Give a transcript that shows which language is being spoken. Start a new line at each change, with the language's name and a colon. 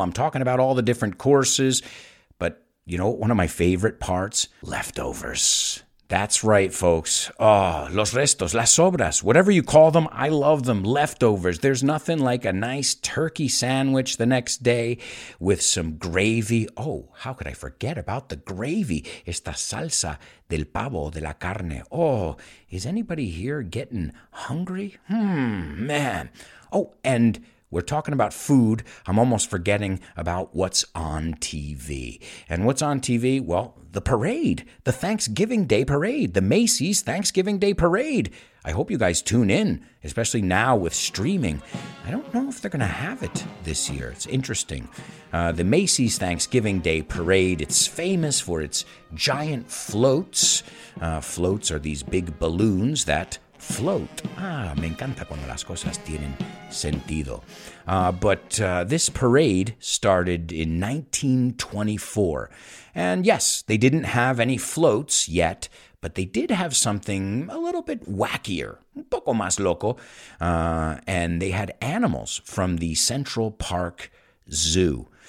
English: I'm talking about all the different courses. But you know, one of my favorite parts? Leftovers. That's right, folks. Oh,
Spanish: los restos, las sobras,
English: whatever you call them, I love them. Leftovers. There's nothing like a nice turkey sandwich the next day with some gravy. Oh, how could I forget about the gravy?
Spanish: Esta salsa del pavo, de la carne.
English: Oh, is anybody here getting hungry? Man. Oh, and we're talking about food. I'm almost forgetting about what's on TV. And what's on TV? Well, the parade, the Thanksgiving Day Parade, the Macy's Thanksgiving Day Parade. I hope you guys tune in, especially now with streaming. I don't know if they're going to have it this year. It's interesting. The Macy's Thanksgiving Day Parade, it's famous for its giant floats. Floats are these big balloons that float.
Spanish: Ah, me encanta cuando las cosas tienen sentido.
English: But this parade started in 1924. And yes, they didn't have any floats yet, but they did have something a little bit wackier,
Spanish: un poco más loco.
English: And they had animals from the Central Park Zoo.